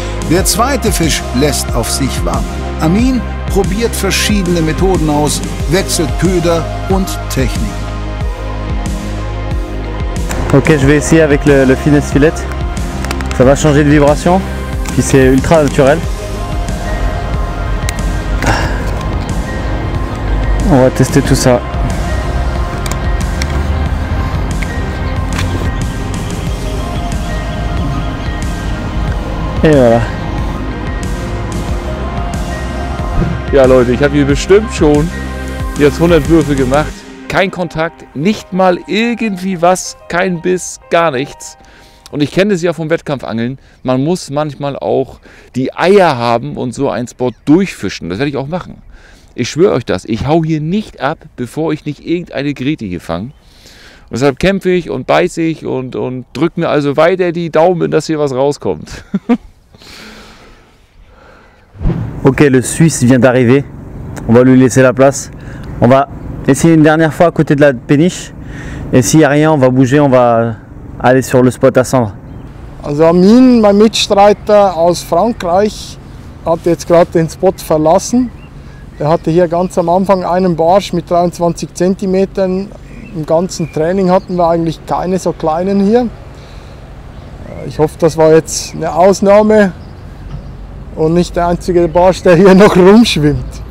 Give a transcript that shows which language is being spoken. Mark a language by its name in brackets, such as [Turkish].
[German] Der zweite Fisch lässt auf sich warten. Amin probiert verschiedene Methoden aus, wechselt Köder und Technik. [French] Okay, je vais essayer avec le finesse filet. Ça va changer de vibration, puis c'est ultra naturel. On va tester tout ça. Et voilà. [German] Ja Leute, ich habe hier bestimmt schon jetzt 100 Würfe gemacht. Kein Kontakt, nicht mal irgendwie was, kein Biss, gar nichts. Und ich kenne sie ja vom Wettkampfangeln. Man muss manchmal auch die Eier haben und so einen Spot durchfischen. Das werde ich auch machen. Ich schwöre euch das, ich hau hier nicht ab, bevor ich nicht irgendeine Grete hier fange. Deshalb kämpfe ich und beiße ich und drücke mir also weiter die Daumen, dass hier was rauskommt. [French] Ok, le Suisse vient d'arriver, on va lui laisser la place, on va essayer une dernière fois à côté de la péniche et s'il n'y a rien, on va bouger, on va aller sur le spot à cendre. [German] Also Amin, mein Mitstreiter aus Frankreich, hat jetzt gerade den Spot verlassen. Er hatte hier ganz am Anfang einen Barsch mit 23 cm, im ganzen Training hatten wir eigentlich keine so kleinen hier. Ich hoffe, das war jetzt eine Ausnahme. Und nicht der einzige Barsch, der hier noch rumschwimmt.